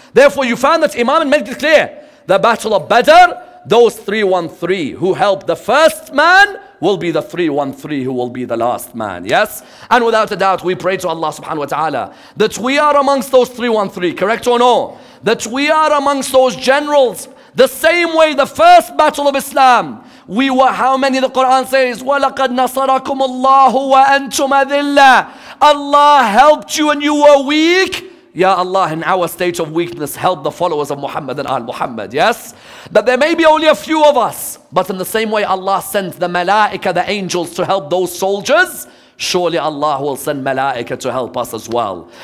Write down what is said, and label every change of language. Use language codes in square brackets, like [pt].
[en] Therefore, you found that Imam made it clear. The Battle of Badr, those 313 who helped the first man will be the 313 who will be the last man. Yes? And without a doubt, we pray to Allah subhanahu wa ta'ala that we are amongst those 313, correct or no? That we are amongst those generals. The same way the first battle of Islam, we were how many? The Quran says, [ar] وَلَقَدْ نَصَرَكُمُ اللَّهُ وَأَنْتُمْ أَذِلَّةٌ. [en] Allah helped you and you were weak. Ya Allah, in our state of weakness, help the followers of Muhammad and Al-Muhammad, yes? That there may be only a few of us, but in the same way Allah sent the malaika, the angels, to help those soldiers, surely Allah will send malaika to help us as well.